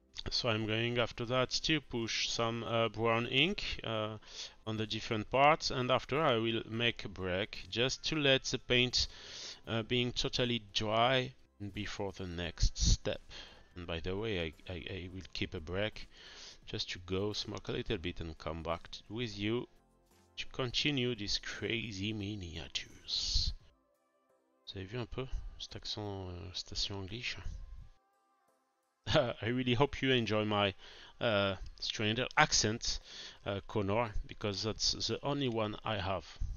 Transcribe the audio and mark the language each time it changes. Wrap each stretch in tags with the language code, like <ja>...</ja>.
<en>So I'm going after that to push some brown ink on the different parts, and after I will make a break just to let the paint being totally dry before the next step. And by the way, I will keep a break just to go smoke a little bit and come back with you to continue these crazy miniatures.</en> <fr>Vous avez vu un peu cet accent station anglais?</fr> <en>I really hope you enjoy my stranger accent, Connor, because that's the only one I have.</en>